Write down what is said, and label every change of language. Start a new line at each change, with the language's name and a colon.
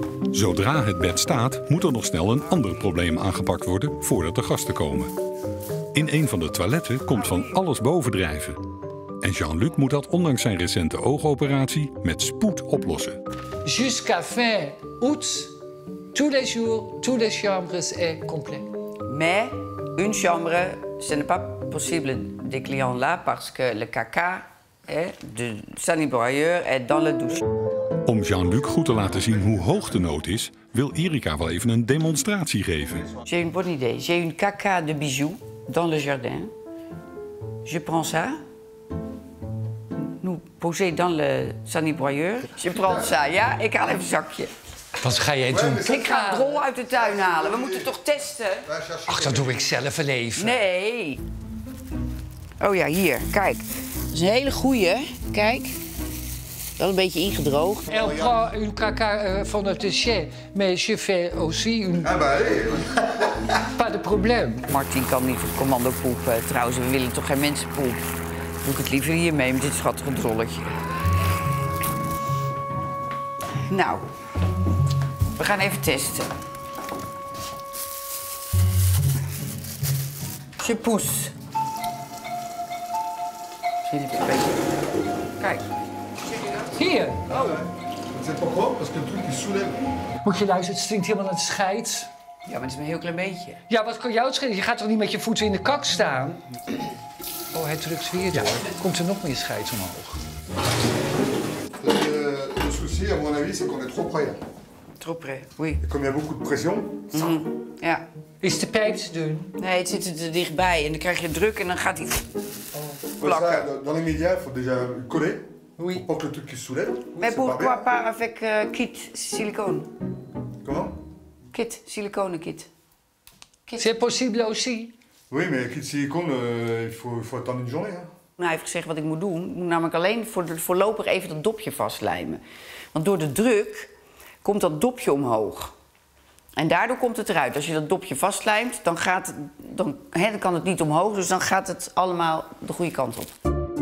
Dutch: Zodra het bed staat, moet er nog snel een ander probleem aangepakt worden voordat de gasten komen. In een van de toiletten komt van alles bovendrijven. En Jean-Luc moet dat ondanks zijn recente oogoperatie met spoed oplossen.
French: Jusqu'à fin août, tous les jours, tous les chambres sont complets. Mais une chambre, ce n'est pas possible de client là parce que le caca...
Dutch: De sanitaire en dan de douche. Om Jean-Luc goed te laten zien hoe hoog de nood is, wil Erika wel even een demonstratie geven.
French: J'ai une bonne idée. J'ai une caca de bijoux dans le jardin. Je prends ça. Nous poser dans le sanitaire. Je prends ça.
Dutch: Ja, ik haal even een zakje. Wat ga jij doen? Ik ga een rol uit de tuin halen. We moeten toch testen. Ach, dat doe ik zelf een leven. Nee. Oh ja, hier. Kijk. Dat is een hele goeie, kijk. Wel een beetje ingedroogd. Ik
French: prend une caca
Dutch: van het
French: chien,
Dutch: maar
French: je fais aussi une. Ah, bah, hey. Pas de
Dutch: probleem. Martin kan niet voor commando poepen. Trouwens, we willen toch geen mensenpoep. Doe ik het liever hiermee met dit schattige drolletje. Nou, we gaan even testen. Je poes. Kijk. Hier. Oh. Het is toch goed, want het druk is. Moet je luisteren, het stinkt helemaal naar de scheid. Ja, maar het is maar een heel klein beetje. Ja, wat kan jou het schelen? Je gaat toch niet met je voeten in de kak staan? Oh, hij drukt weer door. Komt er nog meer scheid omhoog? Het
French: souci, à mon avis, c'est qu'on est trop près. Trop près, oui. Comme il y a beaucoup de pression.
Dutch: Ja. Is de pijp te doen? Nee, het zit er dichtbij en dan krijg je druk en dan gaat hij...
French: Dans les médias, il faut déjà coller pour que le truc soulève. Mais pourquoi pas avec kit silicone? Comment? Kit silicone. Ah,
Dutch: Kit, siliconen kit.
French: C'est possible aussi. Oui, mais kit silicone, il faut attendre une journée.
Dutch: Nou, hij heeft gezegd wat ik moet doen. Ik moet namelijk alleen voorlopig even dat dopje vastlijmen. Want door de druk komt dat dopje omhoog. En daardoor komt het eruit. Als je dat dopje vastlijmt, dan kan het niet omhoog. Dus dan gaat het allemaal de goede kant op.